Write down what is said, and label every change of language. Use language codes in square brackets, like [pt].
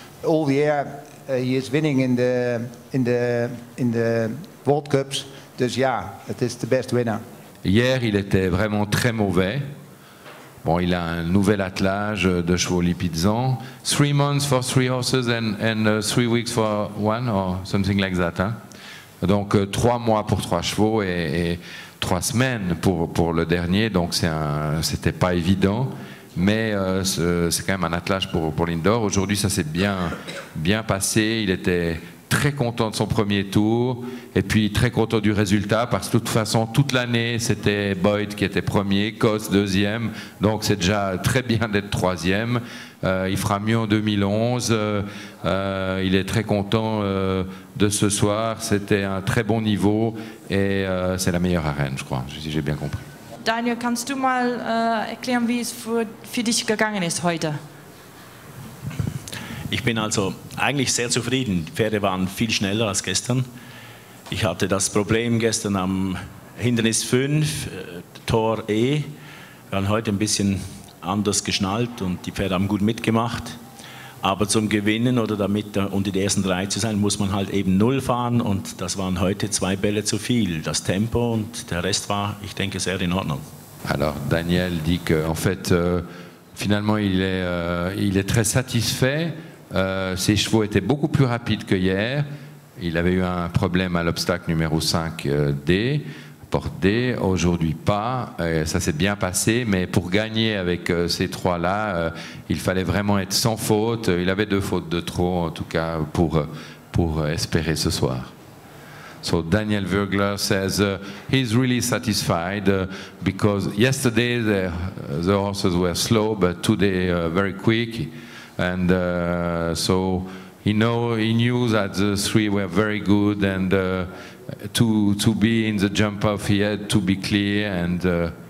[en] All year he is winning in the World Cups. Donc, yeah, it is the best winner. [fr] Hier, il était vraiment très mauvais. Bon, il a un nouvel attelage de chevaux lipizzans. [en] 3 months for 3 horses and 3 weeks for one or something like that. Hein? [fr] Donc 3 mois pour 3 chevaux et 3 semaines pour le dernier, donc c'était pas évident, mais c'est quand même un attelage pour Lindor. Aujourd'hui, ça s'est bien passé. Il était très content de son premier tour et puis très content du résultat parce que de toute façon, toute l'année, c'était Boyd qui était premier, Coase deuxième, donc c'est déjà très bien d'être troisième. Il fera mieux en 2011. Il est très content de ce soir. C'était un très bon niveau et c'est la meilleure arène, je crois, si j'ai bien compris. [de] Daniel, kannst du mal erklären, wie es für dich gegangen ist heute? Ich bin also eigentlich sehr zufrieden. Die Pferde waren viel schneller als gestern. Ich hatte das Problem gestern am Hindernis 5, Tor E. Wir waren heute ein bisschen anders geschnallt und die Pferde haben gut mitgemacht. Aber zum Gewinnen oder damit unter die ersten drei zu sein, muss man halt eben null fahren. Und das waren heute 2 Bälle zu viel. Das Tempo und der Rest war, ich denke, sehr in Ordnung. [fr] Alors, Daniel dit que, en fait, finalement, il est très satisfait. Ses chevaux étaient beaucoup plus rapides que hier. Il avait eu un problème à l'obstacle numéro 5D, porte D. Aujourd'hui pas, ça s'est bien passé, mais pour gagner avec ces trois-là, il fallait vraiment être sans faute. Il avait 2 fautes de trop, en tout cas, pour espérer ce soir. [en] So Daniel Würgler says he's really satisfied because yesterday the horses were slow, but today very quick. And so he knew that the three were very good, and to be in the jump off, he had to be clear, and